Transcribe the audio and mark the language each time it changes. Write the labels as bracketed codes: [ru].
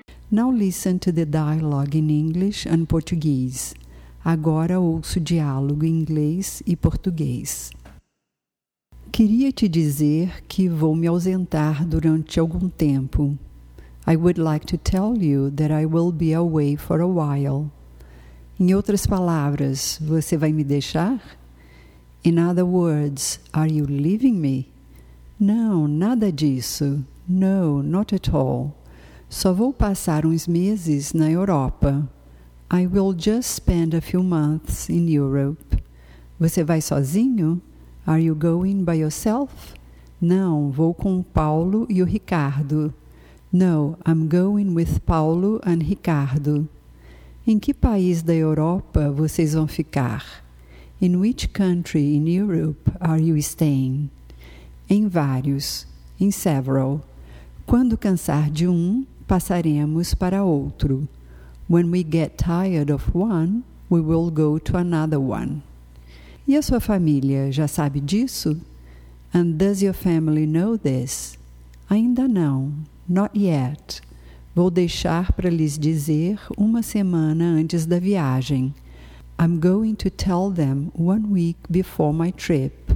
[en] Now listen to the dialogue in English and Portuguese. [pt] Agora ouço o diálogo em inglês e português. Queria te dizer que vou me ausentar durante algum tempo. [en] I would like to tell you that I will be away for a while. [pt] Em outras palavras, você vai me deixar? [en] In other words, are you leaving me? [pt] Não, nada disso. [en] No, not at all. [pt] Só vou passar uns meses na Europa. [en] I will just spend a few months in Europe. [pt] Você vai sozinho? [en] Are you going by yourself? [pt] Não, vou com o Paulo e o Ricardo. [en] No, I'm going with Paulo and Ricardo. [pt] Em que país da Europa vocês vão ficar? [en] In which country in Europe are you staying? [pt] Em vários. [en] In several. [pt] Quando cansar de um, passaremos para outro. [en] When we get tired of one, we will go to another one. [pt] E a sua família já sabe disso? [en] And does your family know this? [pt] Ainda não. [en] Not yet. [pt] Vou deixar para lhes dizer uma semana antes da viagem. [en] I'm going to tell them one week before my trip.